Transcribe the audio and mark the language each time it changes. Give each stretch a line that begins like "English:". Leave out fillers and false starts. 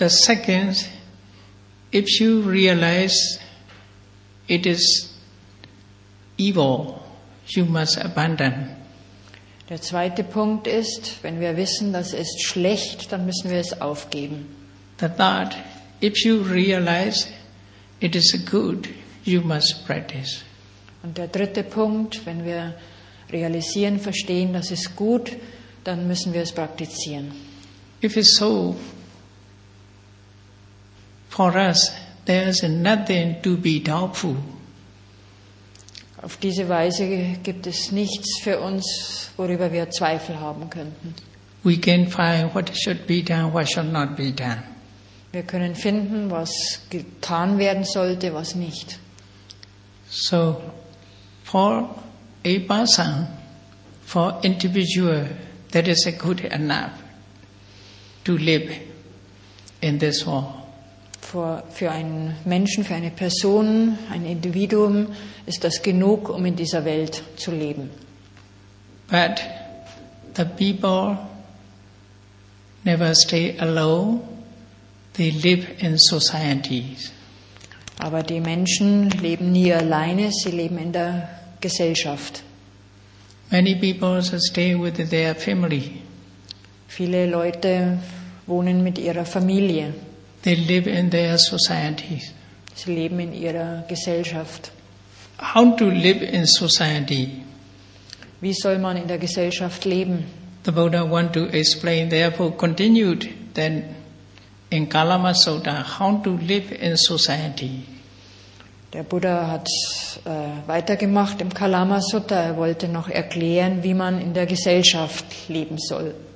English: If you realize it is evil, you must abandon.
German: Der zweite Punkt ist, wenn wir wissen, das ist schlecht, dann müssen wir es aufgeben.
English: The third, if you realize it is good, you must practice.
German: Und der dritte Punkt, wenn wir realisieren, verstehen, das ist gut, dann müssen wir es praktizieren.
English: If it's so, for us, there is nothing to be doubtful.
German: Auf diese Weise gibt es nichts für uns, worüber wir Zweifel haben könnten.
English: We can find what should be done, what should not be done.
German: Wir können finden, was getan werden sollte, was nicht.
English: So, for a person, for individual, that is a good enough to live in this world.
German: Für einen Menschen, für eine Person, ein Individuum, ist das genug, um in dieser Welt zu leben.
English: But the people never stay alone. They live in societies.
German: Aber die Menschen leben nie alleine, sie leben in der Gesellschaft.
English: Many people stay with their family.
German: Viele Leute wohnen mit ihrer Familie.
English: They live in their societies.
German: Sie leben in ihrer Gesellschaft.
English: How to live in society?
German: Wie soll man in der Gesellschaft leben?
English: The Buddha want to explain, therefore continued then in Kalama Sutta, how to live in society.
German: Der Buddha hat weitergemacht im Kalama Sutta. Er wollte noch erklären, wie man in der Gesellschaft leben soll.